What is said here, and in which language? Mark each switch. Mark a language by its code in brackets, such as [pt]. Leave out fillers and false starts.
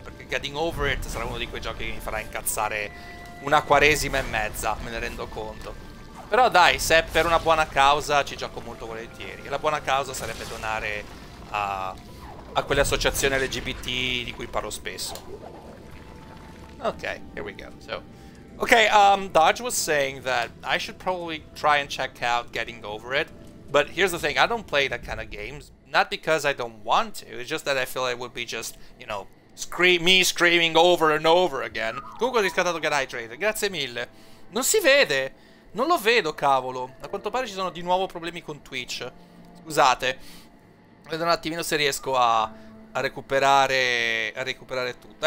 [it] Perché Getting Over It sarà uno di quei giochi che mi farà incazzare una quaresima e mezza. Me ne rendo conto. Però dai, se è per una buona causa, ci gioco molto volentieri. E la buona causa sarebbe donare a quelle associazioni LGBT di cui parlo spesso. [en] Ok, here we go. So. Okay, Dodge was saying that I should probably try and check out Getting Over It. But here's the thing, I don't play that kind of games. Not because I don't want to, it's just that I feel it would be just, you know, me screaming over and over again. [it] Google is scattato Get Hydrated, grazie mille. Non si vede, non lo vedo, cavolo. A quanto pare ci sono di nuovo problemi con Twitch. Scusate. Vedo un attimino se riesco a recuperare tutto.